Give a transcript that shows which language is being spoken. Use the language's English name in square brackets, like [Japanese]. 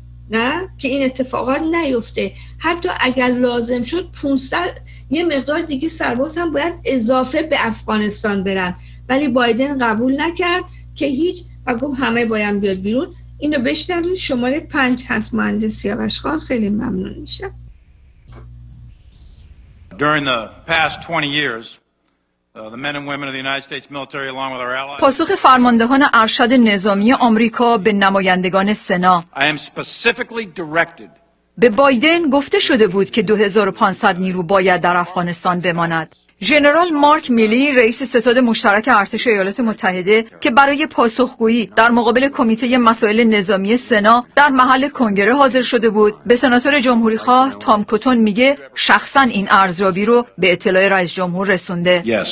[Persian] نه که این اتفاقات نیفته، حتی اگر لازم شد 500 یه مقدار دیگه سرباز هم باید اضافه به افغانستان برن، ولی بایدن قبول نکرد که هیچ و گفت همه باید بیاد بیرون. اینو بشنوید، شماره 5 هست مهندس سیاوش خان، خیلی ممنون میشم. [English] During the past 20 years the men and women of the United States military along with our allies. [Persian] پاسخ فرماندهان ارشد نظامی آمریکا به نمایندگان سنا. [English] I am specifically directed. [Persian] به بایدن گفته شده بود که 2500 نیرو باید در افغانستان بماند. ژنرال مارک میلی، رئیس ستاد مشترک ارتش ایالات متحده، که برای پاسخگویی در مقابل کمیته مسائل نظامی سنا در محل کنگره حاضر شده بود، به سناتور جمهوری خواه تام کوتون میگه شخصا این ارزیابی رو به اطلاع رئیس جمهور رسونده.